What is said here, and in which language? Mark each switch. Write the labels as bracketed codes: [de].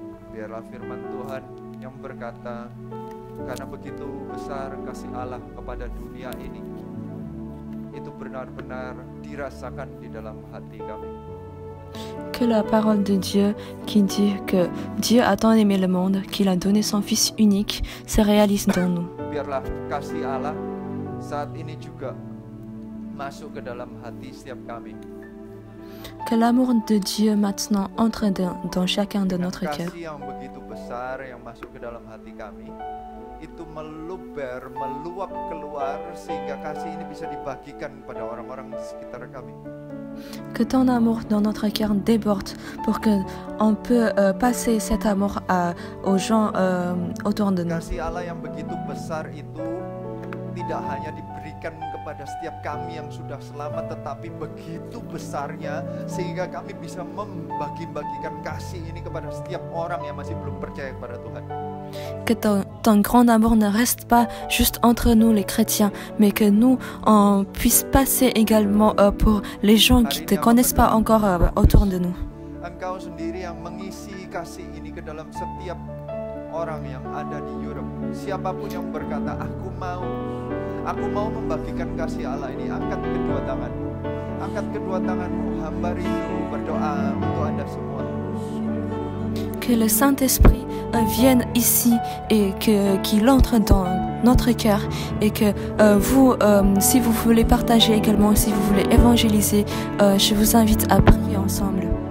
[id] Biarlah firman Tuhan yang berkata, karena begitu besar kasih Allah kepada dunia ini, itu benar-benar dirasakan di dalam hati kami. [fr] Que la parole de Dieu qui dit que Dieu a tant aimé le monde qu'il a donné son fils unique se réalise dans nous. [id] Biarlah kasih Allah saat ini juga masuk ke dalam hati setiap kami. [fr] Que l'amour de Dieu maintenant entre dans chacun de notre cœur. [id] Kasih yang begitu besar yang masuk ke dalam hati kami itu meluber, meluap keluar sehingga kasih ini bisa dibagikan pada orang-orang di sekitar kami. [fr] Que ton amour dans notre cœur déborde pour que on peut passer cet amour aux gens autour de nous. [id] Kasih Allah yang begitu besar itu tidak hanya diberikan kepada setiap kami yang sudah selamat, tetapi begitu besarnya sehingga kami bisa membagi-bagikan kasih ini kepada setiap orang yang masih belum percaya kepada Tuhan. [fr] Que ton grand amour ne reste pas juste entre nous les chrétiens, mais que nous on puisse passer également pour les gens qui ne te connaissent pas encore autour de nous. [id] Engkau sendiri yang mengisi kasih ini ke dalam setiap orang yang ada di Europe. Siapapun yang berkata aku mau membagikan kasih Allah ini, angkat kedua tanganmu, hamba rindu berdoa untuk Anda semua. [fr] Que le Saint-Esprit vienne ici et qu'il entre dans notre cœur et que si vous voulez partager également, si vous voulez évangéliser, je vous invite à prier ensemble.